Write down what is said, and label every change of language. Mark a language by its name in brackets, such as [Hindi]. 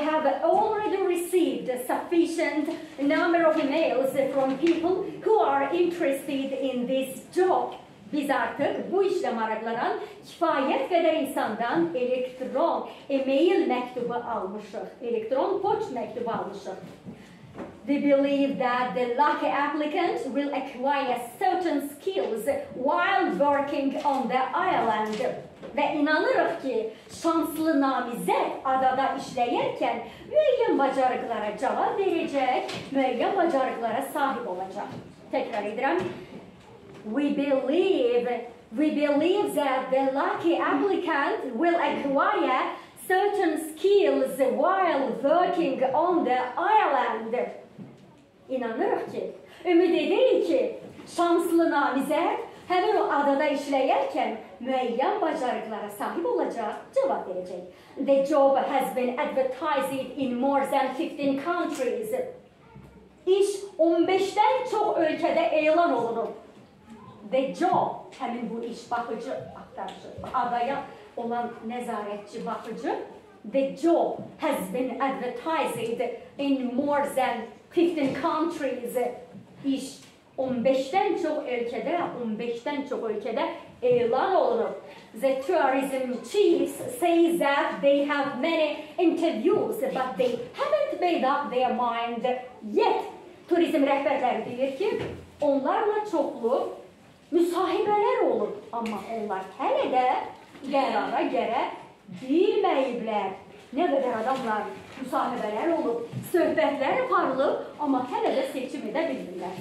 [English] We have already received a sufficient number of emails from people who are interested in this job. [Azerbaijani] Biz artıq bu işlə maraqlanan kifayət qədər insandan elektron e-mail məktubu almışıq. Elektron poçt məktubu almışıq. [English] They believe that the lucky applicant will acquire certain skills while working on the island. [Azerbaijani] Və inanırıq ki, şanslı namizəd adada işləyərkən müəyyən bacarıqlara cavab verəcək, müəyyən bacarıqlara sahib olacaq. Təkrar edirəm. [English] We believe that the lucky applicant will acquire certain skills while working on the island. [Azerbaijani] İnanırıq ki, ümid edirik ki, şanslı namizəd həmin o adada işləyərkən müəyyən bacarıqlara sahib olacaq, cavab verəcək. [English] The job has been advertised in more than 15 countries. [Azerbaijani] İş 15-dən çox ölkədə elan olunub. [English] The job, [Azerbaijani] həmin bu iş baxıcı, aktarıcı, adaya olan nəzarətçi baxıcı, [English] the job has been advertised in more than 15 countries. [Azerbaijani] İş 15-dən çox ölkədə, 15-dən çox ölkədə elan olunub. [English] The tourism chiefs say that they have many interviews, but they haven't made up their mind yet. [Azerbaijani] Turizm rəhbərləri deyir ki, onlarla çoxlu müsahibələr olur, amma onlar hələ də qərara gərə bilməyiblər. Nə qədər adamlar müsahibələr olub, söhbətlər aparılıb, amma hələ də seçim edə bilmirlər.